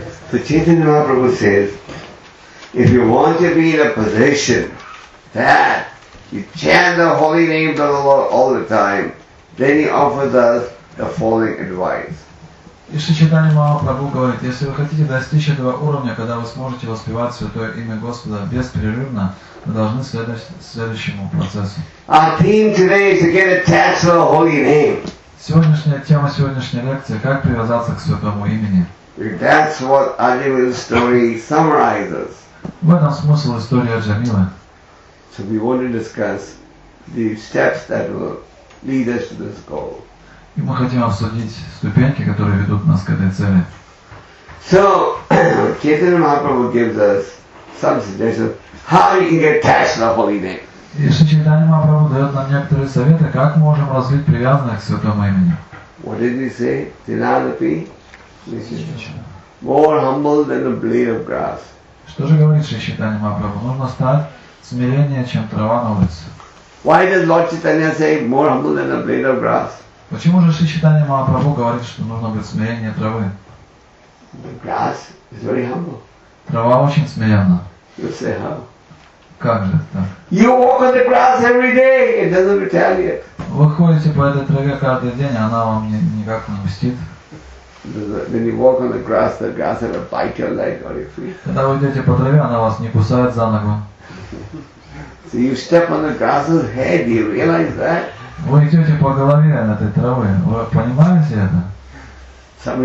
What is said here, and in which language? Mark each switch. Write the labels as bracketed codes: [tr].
[en] So Chaitanya Mahaprabhu says, if you want to be in a position that you chant the holy names of the Lord all the time, then he offers us the following advice. [ru] И Шри Чайтанья Махапрабху говорит, если вы хотите достичь этого уровня, когда вы сможете воспевать Святое Имя Господа беспрерывно, вы должны следовать следующему процессу. [en] Our theme today is to get attached to the holy name. [ru] Сегодняшняя тема сегодняшней лекции – как привязаться к Святому Имени. [en] That's what Arjamila's story summarizes. [ru] В этом смысл истории Арджамилы. [en] So we want to discuss the steps that will lead us to this goal. [ru] И мы хотим обсудить ступеньки, которые ведут нас к этой цели. [en] So, Chaitanya Mahaprabhu gives us some suggestions how we can get attached to the holy name. [ru] И Chaitanya Mahaprabhu дает нам некоторые советы, как мы можем развить привязанность к Святому Имени. [en] What did he say? Tinadapi? More humble than a blade of grass. [ru] Что же говорит Chaitanya Mahaprabhu? Нужно стать смиреннее, чем трава на улице. [en] Why does Lord Chaitanya say more humble than a blade of grass? [ru] Почему же Шри Чайтанья Махапрабху говорит, что нужно быть смиреннее травы? [en] Grass is very humble. [ru] Трава очень смиренна. [en] You say how? [ru] Как же так? [en] You walk on the grass every day, it doesn't retaliate. [ru] Вы ходите по этой траве каждый день, она вам никак не мстит. [en] When you walk on the grass will bite your leg or your feet. [ru] Когда вы идете по траве, она вас не кусает за ногу. [en] So you step on the grass's head, you realize that? [ru] Вы идете по голове этой травы, вы понимаете это?